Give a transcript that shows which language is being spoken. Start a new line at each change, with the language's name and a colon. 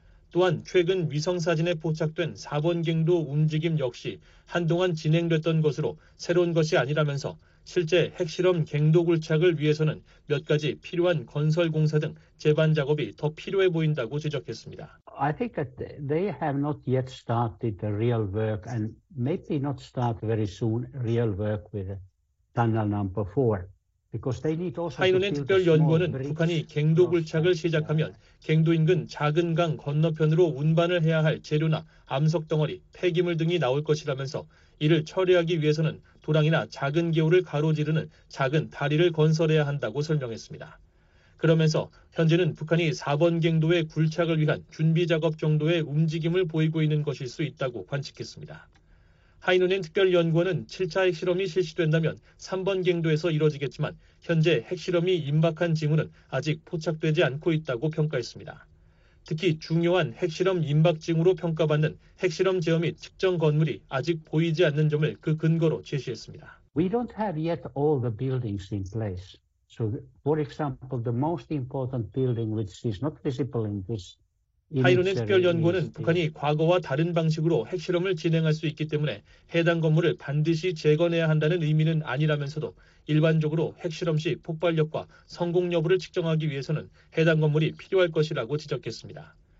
Korean: 또한 최근 위성사진에 포착된 4번 갱도 움직임 역시 한동안 진행됐던 것으로 새로운 것이 아니라면서 실제 핵실험 갱도 굴착을 위해서는 몇 가지 필요한 건설 공사 등 재반 작업이 더 필요해 보인다고 지적했습니다.
English: I think that they have not yet started the real work and maybe not start very soon real work with tunnel number 4.
Korean: 하이누닌 특별연구원은 북한이 갱도 굴착을 시작하면 갱도 인근 작은 강 건너편으로 운반을 해야 할 재료나 암석 덩어리, 폐기물 등이 나올 것이라면서 이를 처리하기 위해서는 도랑이나 작은 개울을 가로지르는 작은 다리를 건설해야 한다고 설명했습니다. 그러면서 현재는 북한이 4번 갱도의 굴착을 위한 준비 작업 정도의 움직임을 보이고 있는 것일 수 있다고 관측했습니다. 하이누닌 특별연구원은 7차 핵실험이 실시된다면 3번 갱도에서 이뤄지겠지만 현재 핵실험이 임박한 징후는 아직 포착되지 않고 있다고 평가했습니다. 특히 중요한 핵실험 임박 징후로 평가받는 핵실험 제어 및 측정 건물이 아직 보이지 않는 점을 그 근거로 제시했습니다.
English: We don't have yet all the buildings in place. So for example, the most important building which is not visible in this
Korean: 하이누닌 특별연구원은 북한이 과거와 다른 방식으로 핵실험을 진행할 수 있기 때문에 해당 건물을 반드시 재건해야 한다는 의미는 아니라면서도 일반적으로 핵실험 시 폭발력과 성공 여부를 측정하기 위해서는 해당 건물이 필요할 것이라고 지적했습니다.